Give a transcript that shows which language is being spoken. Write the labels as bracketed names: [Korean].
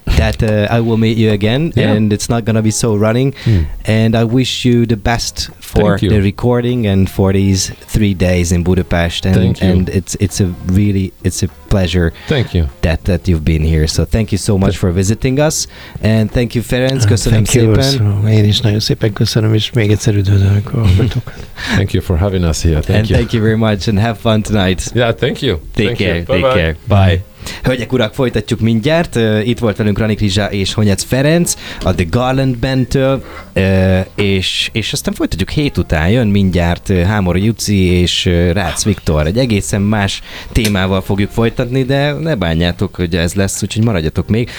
[English] that I will meet you again, and it's not gonna be so running. Mm. And I wish you the best for the recording and for these 3 days in Budapest. And thank you. And it's a pleasure. Thank you that you've been here. So thank you so much for visiting us, and thank you, Ferenc. [Hungarian] Köszönöm szépen. Én is nagyon szépen köszönöm, és még egyszer üdvözlök. [English] Thank you for having us here. Thank you. Thank you very much, and have fun tonight. Yeah, thank you. Take thank care. You. Take care. Bye. [Hungarian] Hölgyek, urak, folytatjuk mindjárt. Itt volt velünk Rani Krizsa és Honyec Ferenc a The Garland Bandtől, és aztán folytatjuk hét után. Jön mindjárt Hámori Juci és Rácz Viktor. Egy egészen más témával fogjuk folytatni, de ne bánjátok, hogy ez lesz, úgyhogy maradjatok még.